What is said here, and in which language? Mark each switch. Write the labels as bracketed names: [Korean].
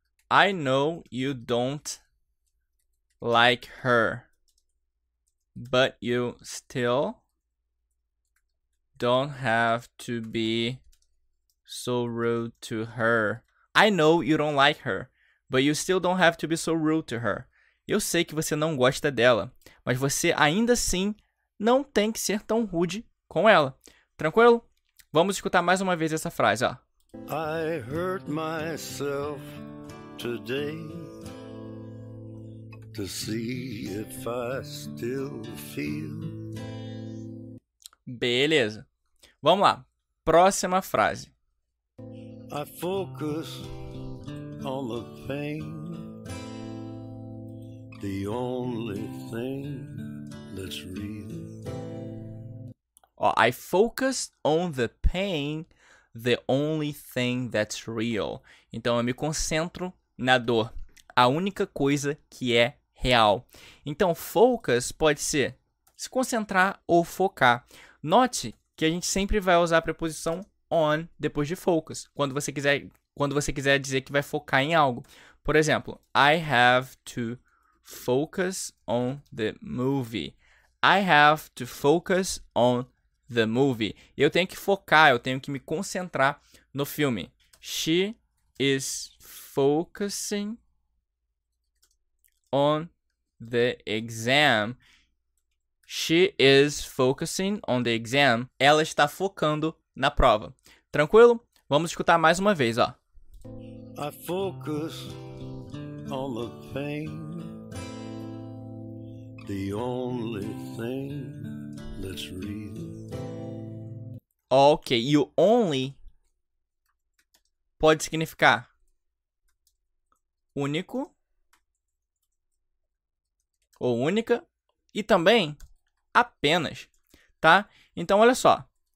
[English] I know you don't like her, but you still don't have to be so rude to her. I know you don't like her, but you still don't have to be so rude to her. [Portuguese] Eu sei que você não gosta dela, mas você ainda assim não tem que ser tão rude com ela. Tranquilo? Vamos escutar mais uma vez essa frase, ó. [English] I hurt myself today to see if I still feel. [Portuguese] Beleza. Vamos lá. Próxima frase. [English] I focus on the pain, the only thing that's real. Oh, I focus on the pain, the only thing that's real. [Portuguese] Então, eu me concentro na dor, a única coisa que é real. Então, focus pode ser se concentrar ou focar. Note que a gente sempre vai usar a preposição on depois de focus, quando você quiser dizer que vai focar em algo. Por exemplo, [English] I have to focus on the movie. I have to focus on the movie. [Portuguese] Eu tenho que focar, eu tenho que me concentrar no filme. [English] She is focusing on the exam. She is focusing on the exam. [Portuguese] Ela está focando na prova. Tranquilo? Vamos escutar mais uma vez, ó. [English] I focus on the pain, the only thing that's real. [Portuguese] Ok, e o only pode significar único ou única e também apenas, tá? Então, olha só.